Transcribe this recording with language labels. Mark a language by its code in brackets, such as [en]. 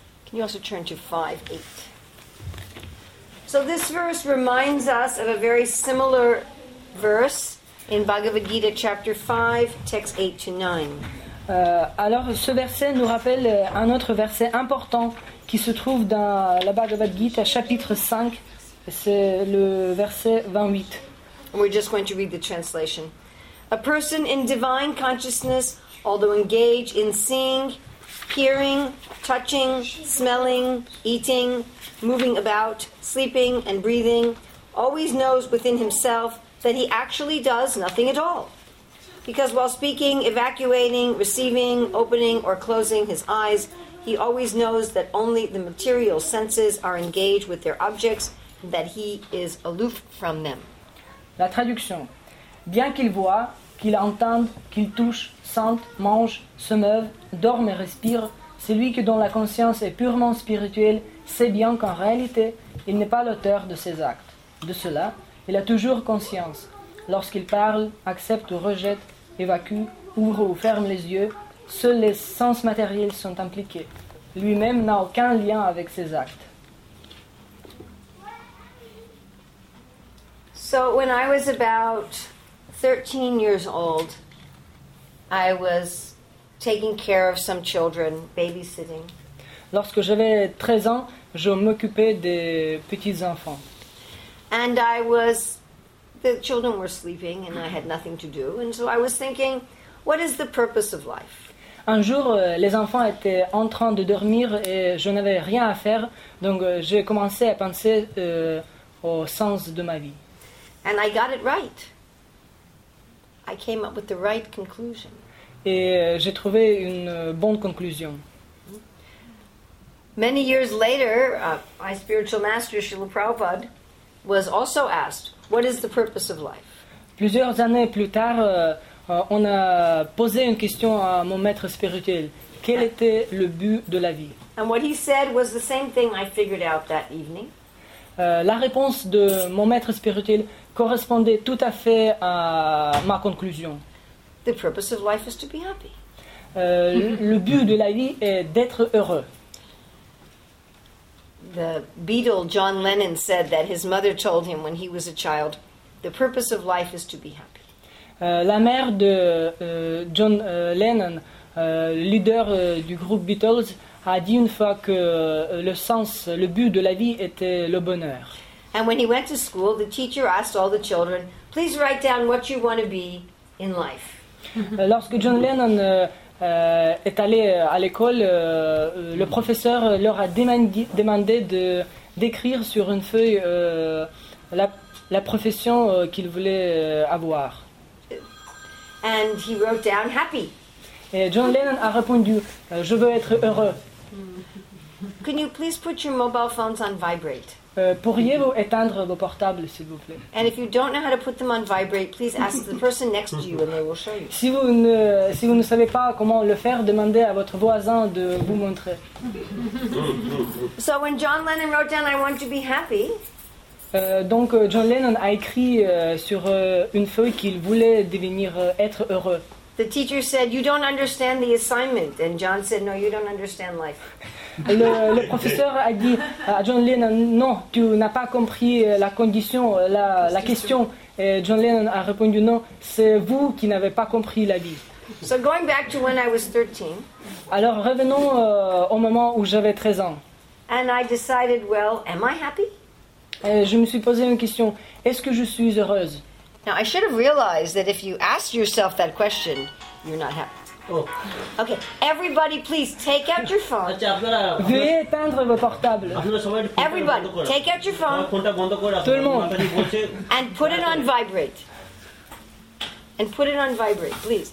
[en] Can you also turn to 5:8? So this verse reminds us of a very similar verse in Bhagavad Gita chapter 5, text 8 to 9. [fr] Alors ce verset nous rappelle un autre verset important qui se trouve dans la Bhagavad Gita chapitre 5, c'est le verset 28. [en] We're just going to read the translation. A person in divine consciousness, although engaged in seeing, hearing, touching, smelling, eating, moving about, sleeping and breathing, always knows within himself that he actually does nothing at all. Because while speaking, evacuating, receiving, opening or closing his eyes, he always knows that only the material senses are engaged with their objects and that he is aloof from them. [fr] La traduction. Bien qu'il voit, qu'il entende, qu'il touche, sente, mange, se meuve, dorme et respire, celui que dont la conscience est purement spirituelle sait bien qu'en réalité, il n'est pas l'auteur de ses actes. De cela, il a toujours conscience. Lorsqu'il parle, accepte ou rejette, évacue, ouvre ou ferme les yeux, seuls les sens matériels sont impliqués. Lui-même n'a aucun lien avec ses actes. [en] So when I was about 13 years old, I was taking care of some children, babysitting. [fr] Lorsque j'avais 13 ans, je m'occupais des petits enfants. [en] And I was, the children were sleeping and I had nothing to do. And so I was thinking, what is the purpose of life? [fr] Un jour, les enfants étaient en train de dormir et je n'avais rien à faire. Donc j'ai commencé à penser au sens de ma vie. [en] And I got it right. I came up with the right conclusion. [fr] Et j'ai trouvé une bonne conclusion. [en] Many years later, my spiritual master, Srila Prabhupada, was also asked, what is the purpose of life? [fr] Plusieurs années plus tard, on a posé une question à mon maître spirituel. Quel était le but de la vie? [en] And what he said was the same thing I figured out that evening. [fr] La réponse de mon maître spirituel correspondait tout à fait à ma conclusion. [en] The purpose of life is to be happy. [fr] le but de la vie est d'être heureux. [en] The Beatle John Lennon said that his mother told him when he was a child, the purpose of life is to be happy. [fr] La mère de John Lennon, leader du groupe Beatles, a dit une fois que le but de la vie était le bonheur. [en] And when he went to school, the teacher asked all the children, please write down what you want to be in life. [fr] Lorsque John Lennon est allé à l'école, le professeur leur a demandé de d'écrire sur une feuille la profession qu'ils voulaient avoir. [en] And he wrote down happy. [fr] Et John Lennon a répondu, je veux être heureux. [en] Can you please put your mobile phones on vibrate? [fr] Pourriez-vous éteindre vos portables, s'il vous plaît? [en] And if you don't know how to put them on vibrate, please ask the person next to you and they will show you. [fr] Si vous ne savez pas comment le faire, demandez à votre voisin de vous montrer. [en] So when John Lennon wrote down, I want to be happy. [fr] Donc John Lennon a écrit sur une feuille qu'il voulait devenir être heureux. [en] The teacher said, you don't understand the assignment. And John said, no, you don't understand life. [fr] Le professeur a dit à John Lennon, non, tu n'as pas compris la condition, la question. Et John Lennon a répondu, non, c'est vous qui n'avez pas compris la vie. [en] So going back to when I was 13. [fr] Alors revenons au moment où j'avais 13 ans. [en] And I decided, well, am I happy? [fr] Et je me suis posé une question, est-ce que je suis heureuse? [en] Now, I should have realized that if you ask yourself that question, you're not happy. Oh. Okay, everybody, please, take out your phone. [fr] Veuillez éteindre vos portables. [en] Everybody, take out your phone. [fr] Tout le monde. [en] And put it on vibrate. And put it on vibrate, please.